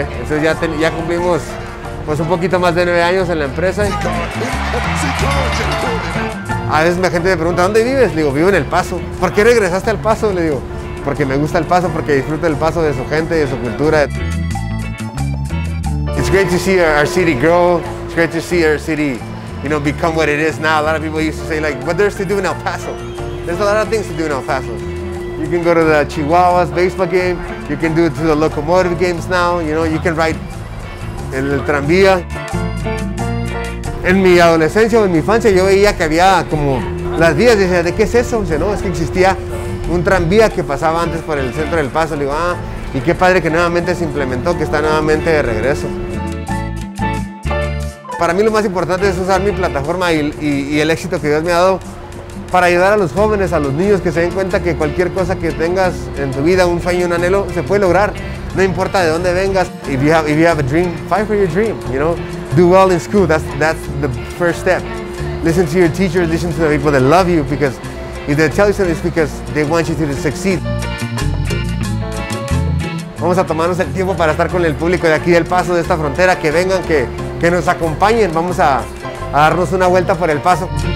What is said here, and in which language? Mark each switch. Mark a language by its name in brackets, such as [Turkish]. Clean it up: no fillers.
[Spanish] Entonces ya cumplimos pues un poquito más de 9 años en la empresa. A veces la gente me pregunta, ¿dónde vives? Le digo, vivo en El Paso. ¿Por qué regresaste al Paso? Le digo, porque me gusta El Paso, porque disfruto El Paso, de su gente, de su cultura. [English] It's great to see our city grow. It's great to see our city, you know, become what it is now. A lot of people used to say, like, what there's to do in El Paso. There's a lot of things to do in El Paso. You can go to the Chihuahuas baseball game. You can do it to the locomotive games now. You know, you can ride en el tranvía. [Spanish] En mi adolescencia o en mi infancia yo veía que había como las vías, decía, ¿de qué es eso? Dice, no, es que existía un tranvía que pasaba antes por el centro del Paso. Le digo, ah, y qué padre que nuevamente se implementó, que está nuevamente de regreso. Para mí lo más importante es usar mi plataforma y el éxito que Dios me ha dado para ayudar a los jóvenes, a los niños, que se den cuenta que cualquier cosa que tengas en tu vida, un sueño, un anhelo, se puede lograr. No importa de dónde vengas. [English] If you have a dream, fight for your dream, you know. Do well in school, that's the first step. Listen to your teachers, listen to the people that love you, because if they tell you something, it's because they want you to succeed. [Spanish] Vamos a tomarnos el tiempo para estar con el público de aquí del Paso, de esta frontera, que vengan, que nos acompañen. Vamos a darnos una vuelta por El Paso.